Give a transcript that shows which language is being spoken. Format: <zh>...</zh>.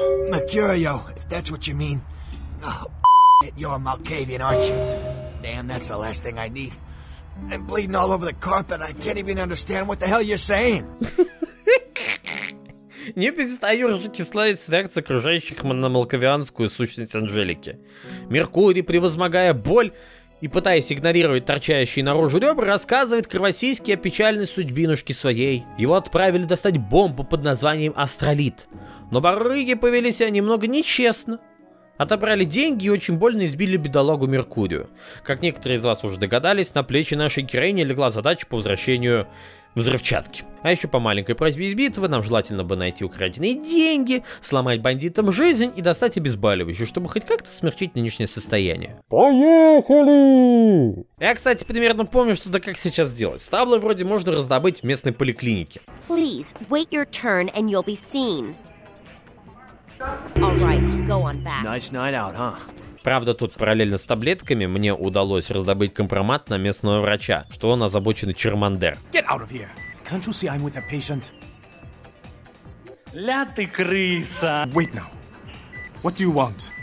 <en>Mercurio, if that's what you mean. Oh, it, you're a Malkavian, aren't you? Damn, that's the last thing I need. I'm bleeding all over the carpet. I can't even understand what the hell you're saying.</en> <ru>Не перестаю ржекиславить реакции окружающих на малкавианскую сущность Анжелики. Меркурий, превозмогая боль и пытаясь игнорировать торчащие наружу ребра, рассказывает кровосиськи о печальной судьбинушке своей. Его отправили достать бомбу под названием Астролит. Но барыги повели себя немного нечестно. Отобрали деньги и очень больно избили бедолагу Меркурию. Как некоторые из вас уже догадались, на плечи нашей героини легла задача по возвращению взрывчатки. А еще по маленькой просьбе из битвы нам желательно бы найти украденные деньги, сломать бандитам жизнь и достать обезболивающее, чтобы хоть как-то смягчить нынешнее состояние. Поехали! Я, кстати, примерно помню, что да как сейчас делать. Стаблы вроде можно раздобыть в местной поликлинике.</ru> <en>Please, wait your turn and you'll be seen. Nice night out, huh?</en> <ru>Правда, тут параллельно с таблетками мне удалось раздобыть компромат на местного врача, что он озабоченный Чермандер.</ru> <en>Get out of here! Can't you see I'm with a patient?</en> <ru>Ля ты крыса!</ru> <en>Wait now. What do you want?</en>